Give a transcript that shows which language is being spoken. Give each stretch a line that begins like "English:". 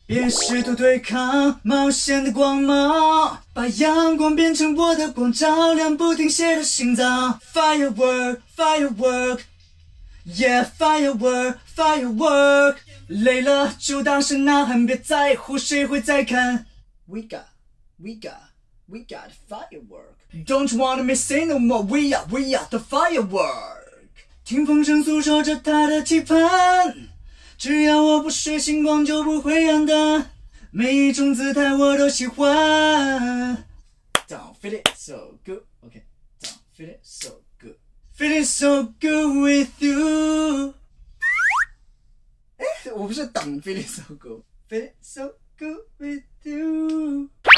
Chinese: 别试图对抗冒险的光芒，把阳光变成我的光，照亮不停歇的心脏。
English: Firework, firework, yeah, firework, firework。
Chinese: 累了就大声呐喊，别在乎谁会再看。
English: We got, we got, we got firework. Don't wanna miss it no more. We are the firework。
Chinese: 听风声诉说着他的期盼。只要我不睡星光就不会暗淡，每一种姿态我都喜欢。
English: Don't feel it so good, OK. Don't feel it so good, feel it so good with you。
Chinese: 诶，我不是
English: Don't feel it so good, feel it so good with you。